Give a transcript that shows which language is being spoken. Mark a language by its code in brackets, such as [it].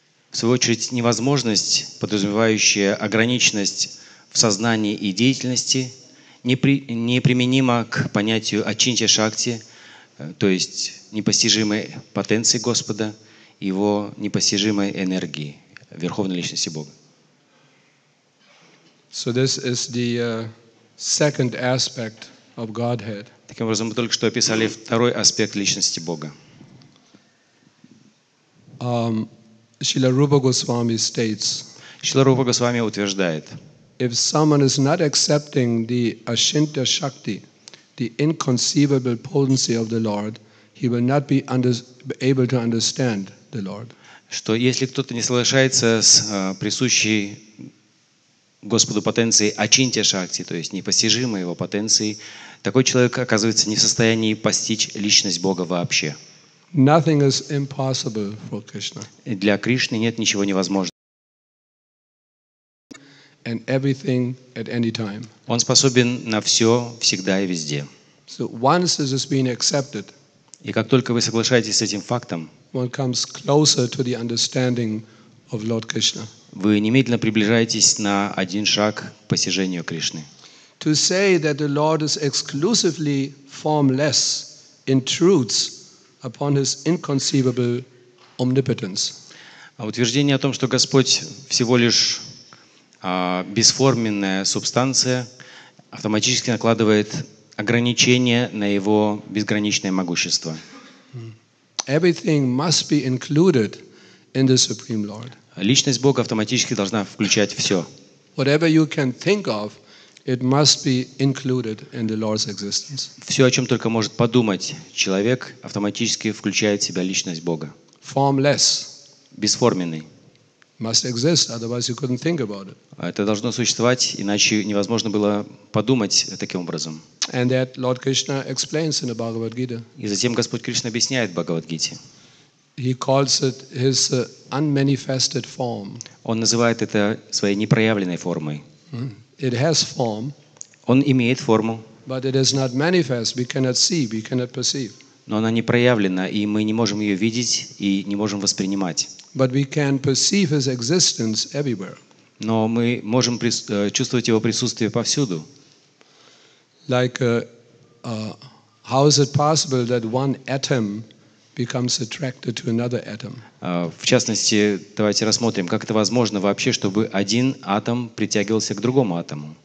[ru] В свою очередь, невозможность, подразумевающая ограниченность в сознании и деятельности, неприменима к понятию Ачинтья-шакти, то есть непостижимой потенции Господа, Его непостижимой энергии, Верховной Личности Бога. [en] So this is the second aspect of Godhead. [ru] Таким образом, мы только что описали второй аспект личности Бога. [en] Шрила Рупа Госвами states. [ru] Шрила Рупа Госвами утверждает. [en] If someone is not accepting the Ашинтья Шакти, the inconceivable potency of the Lord, he will not be able to understand the Lord. [ru] Что если кто-то не соглашается с присущей Господу потенцией Ачинтья Шакти, то есть непостижимой его потенцией, такой человек оказывается не в состоянии постичь личность Бога вообще. [en] Nothing is impossible for Krishna. [ru] Для Кришны нет ничего невозможного. [en] And everything at any time. [ru] Он способен на все, всегда и везде. [en] So once this has been accepted, [ru] и как только вы соглашаетесь с этим фактом, [en] one comes closer to the understanding of Lord Krishna. [ru] Вы немедленно приближаетесь на один шаг к постижению Кришны. [en] To say that the Lord is exclusively formless intrudes upon his inconceivable omnipotence. [ru] А утверждение о том, что Господь всего лишь бесформенная субстанция, автоматически накладывает ограничения на его безграничное могущество. [en] Everything must be included in the Supreme Lord. [ru] Личность Бога автоматически должна включать все. [en] Whatever you can think of, it must be included in the Lord's existence. [ru] Все, о чем только может подумать человек, автоматически включает в себя личность Бога. [en] Formless. [ru] Бесформенный. [en] Must exist, otherwise you couldn't think about it. [ru] Это должно существовать, иначе невозможно было подумать таким образом. [en] And that Lord Krishna explains in the Bhagavad Gita. [ru] И затем Господь Кришна объясняет в Бхагавад-гите. [en] He calls it his unmanifested form. [ru] Он называет это своей непроявленной формой. [en] It has form. [ru] Он имеет форму. [en] But it is not manifest. We cannot see. We cannot perceive. [ru] Но она не проявлена, и мы не можем ее видеть и не можем воспринимать. [en] But we can perceive his existence everywhere. [ru] Но мы можем чувствовать его присутствие повсюду. [en] Like, how is it possible that one atom becomes attracted to another atom? [ru] В частности, давайте рассмотрим, как это возможно вообще, чтобы один атом притягивался к другому атому.